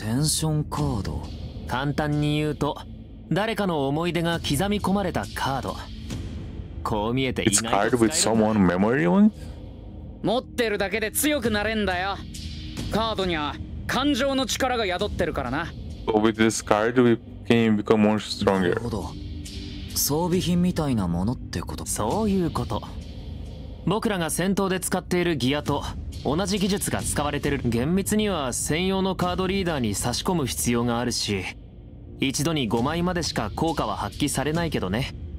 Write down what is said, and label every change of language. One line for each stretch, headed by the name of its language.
Japanese: テンションカード。簡単に言うと、誰かの思い出が刻み込まれたカード。こう見えて意外と使える。
English: It's card with someone's memory on it?
Japanese: 持ってるだけで強くなれんだよ。カードには感情の力が宿ってるからな。
English: With this card, we can become more stronger.
Japanese: なるほど。装備品みたいなものってこと。そういうこと。僕らが戦闘で使っているギアと同じ技術が使われてる。厳密には専用のカードリーダーに差し込む必要があるし、一度に5枚までしか効果は発揮されないけどね。